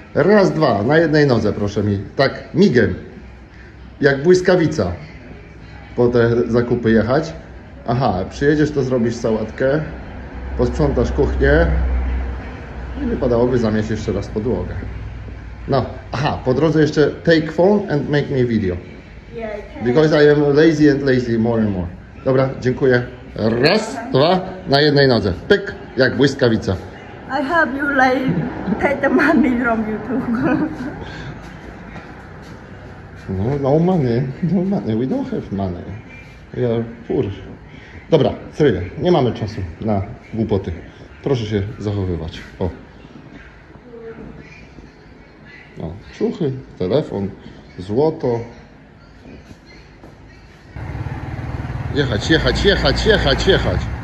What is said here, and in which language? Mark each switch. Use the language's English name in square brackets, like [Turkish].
[Polish] Raz, dwa, na jednej nodze proszę mi, tak migiem, jak błyskawica. Po te zakupy jechać. Aha, przyjedziesz, to zrobisz sałatkę, posprzątasz kuchnię i wypadałoby zamieść jeszcze raz podłogę. No, aha, po drodze jeszcze [English] take phone and make me video. Because I am lazy and lazy more and more. [Polish] Dobra, dziękuję. Raz, dwa, na jednej nodze. Pyk, jak błyskawica. [English] I have you like take the money from YouTube. No, no money, no money, we don't have money. We are poor. [Polish] Dobra, Cyrylie, nie mamy czasu na głupoty. Proszę się zachowywać. O. O, ciuchy, telefon, złoto. Jechać, jechać, jechać, jechać, jechać.